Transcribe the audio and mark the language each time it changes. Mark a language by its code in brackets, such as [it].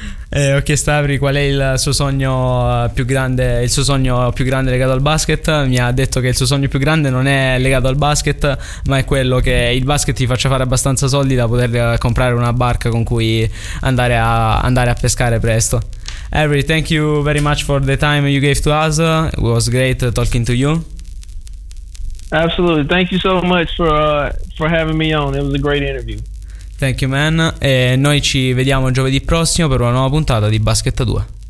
[it] Ho chiesto a Avery qual è il suo sogno più grande, il suo sogno più grande legato al basket. Mi ha detto che il suo sogno più grande non è legato al basket, ma è quello che il basket ti faccia fare abbastanza soldi da poter comprare una barca con cui andare a pescare presto. [en] Avery, thank you very much for the time you gave to us. It was great talking to you. Absolutely. Thank you so much for having me on. It was a great interview. Thank you, man. [it] E noi ci vediamo giovedì prossimo per una nuova puntata di Basket 2.